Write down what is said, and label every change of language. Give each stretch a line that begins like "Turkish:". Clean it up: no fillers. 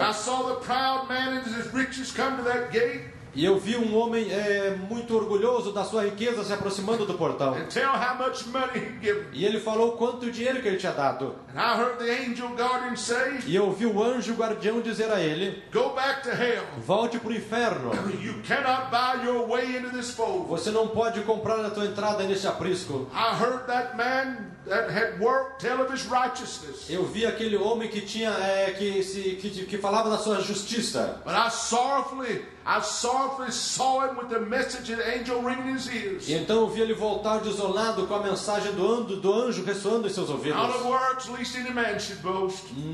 English: I saw the proud man and his riches come to that gate.
Portuguese: E eu vi um homem muito orgulhoso da sua riqueza se aproximando do portão.
English: And tell how much money he'd given.
Portuguese: E ele falou quanto dinheiro que ele tinha dado.
English: And I heard the angel guardian say,
Portuguese: e eu vi o anjo guardião dizer a ele:
English: go back to hell.
Portuguese: Volte para o inferno.
English: You cannot buy your way into this fold.
Portuguese: Você não pode comprar a tua entrada neste aprisco.
English: I heard that man that had worked tell of his righteousness.
Portuguese: Eu vi aquele homem que tinha que falava da sua justiça.
English: But I sorrowfully saw him with the message of the angel ringing his ears.
Portuguese: E então vi ele voltar desolado com a mensagem do anjo ressoando em seus ouvidos.
English: Out of works, lest any man should boast.